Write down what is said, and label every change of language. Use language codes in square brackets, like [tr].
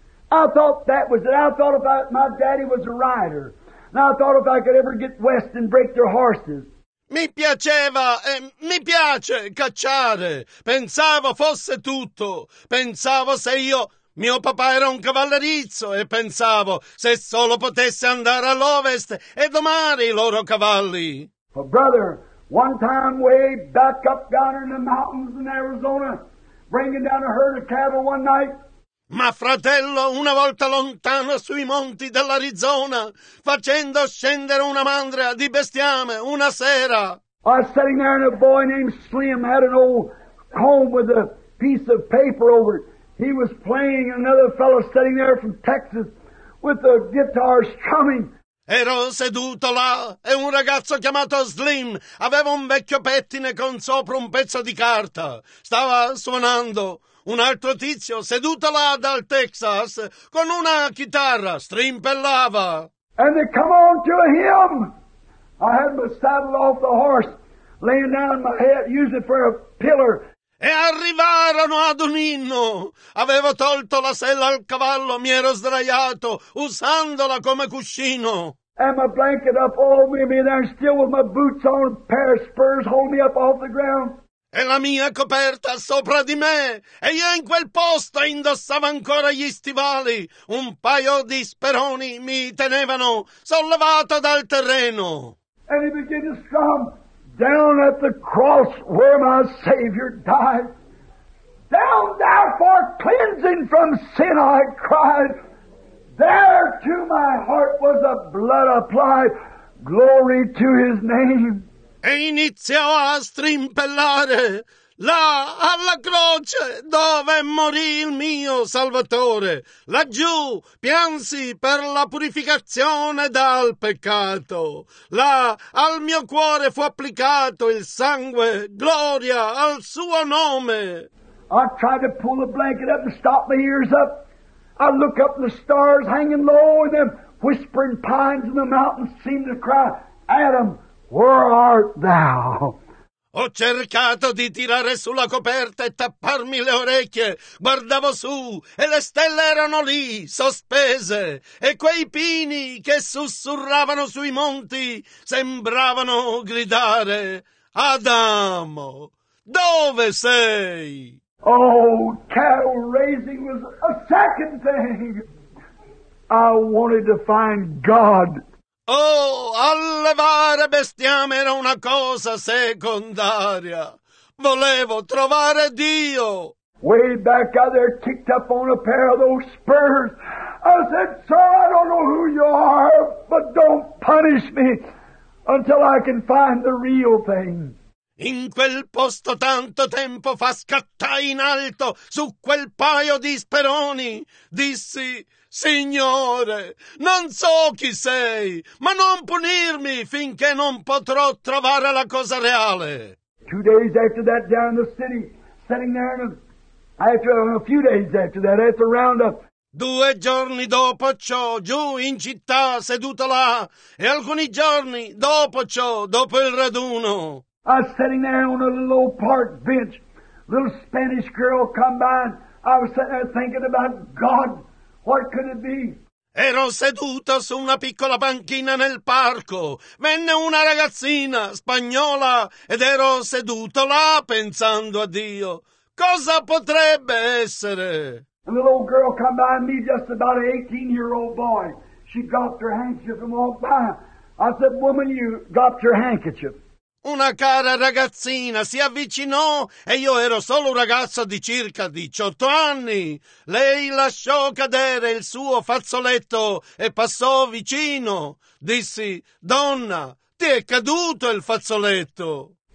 [en] I thought that was it. I thought about my daddy was a rider. And I thought if I could ever get west and break their horses. [it] Mi piaceva e mi piace cacciare. Pensavo fosse tutto. Pensavo se io, mio papà era un cavallerizzo e pensavo se solo potesse andare all'ovest e domare i loro cavalli. [en] But brother, one time way back up down in the mountains in Arizona, bringing down a herd of cattle one night. [it] Ma fratello, una volta lontano sui monti dell'Arizona, facendo scendere una mandria di bestiame, una sera. [en] I was sitting there and a boy named Slim had an old comb with a piece of paper over it. He was playing another fellow sitting there from Texas with a guitar strumming. [it] Ero seduto là e un ragazzo chiamato Slim aveva un vecchio pettine con sopra un pezzo di carta. Stava suonando. Un altro tizio, seduto là dal Texas, con una chitarra, strimpellava. [en] And they come on to a hymn. I had my saddle off the horse, laying down my head, used it for a pillar. [it] E arrivarono ad un inno. Avevo tolto la sella al cavallo, mi ero sdraiato, usandola come cuscino. [en] And my blanket up all over me, there still with my boots on, a pair of spurs holding me up off the ground. [it] E la mia coperta sopra di me, e io in quel posto indossavo ancora gli stivali, un paio di speroni mi tenevano sollevato dal terreno. [en] And he began to strum down at the cross where my Savior died. Down there for cleansing from sin, I cried. There to my heart was the blood applied. Glory to his name. [it] E iniziò a strimpellare. là alla croce dove morì il mio Salvatore, laggiù piansi per la purificazione dal peccato, là al mio cuore fu applicato il sangue, gloria al suo nome. [en] I tried to pull the blanket up and stop my ears up. I look up the stars hanging low and them whispering pines in the mountains seem to cry, Adam, where art thou? [it] Ho cercato di tirare su la coperta e tapparmi le orecchie. Guardavo su e le stelle erano lì, sospese. E quei pini che sussurravano sui monti sembravano gridare, Adamo, dove sei? [en] Oh, cattle raising was a second thing. I wanted to find God. [it] Oh, allevare bestiame era una cosa secondaria. Volevo trovare Dio. [en] Way back out there, kicked up on a pair of those spurs. I said, sir, I don't know who you are, but don't punish me until I can find the real thing. [it] In quel posto tanto tempo fa scattai in alto su quel paio di speroni. Dissi, Signore, non so chi sei, ma non punirmi finché non potrò trovare la cosa reale. [en] 2 days after that, down in the city, sitting there, a few days after that, at the roundup. [it] 2 giorni dopo ciò, giù in città, seduto là, e alcuni giorni dopo ciò, dopo il raduno. [en] I was sitting there on a little old park bench. Little Spanish girl come by. And I was sitting there thinking about God. What could it be? [it] Ero seduto su una piccola panchina nel parco. Venne una ragazzina spagnola ed ero seduto là pensando a Dio. Cosa potrebbe essere? [en] A little old girl come by me, just about an 18-year-old boy. She dropped her handkerchief and walked by. I said, woman, you dropped your handkerchief. [it] Una cara ragazzina si avvicinò e io ero solo un ragazzo di circa 18 anni. Lei lasciò cadere il suo fazzoletto e passò vicino. Dissi, donna, ti è caduto il fazzoletto.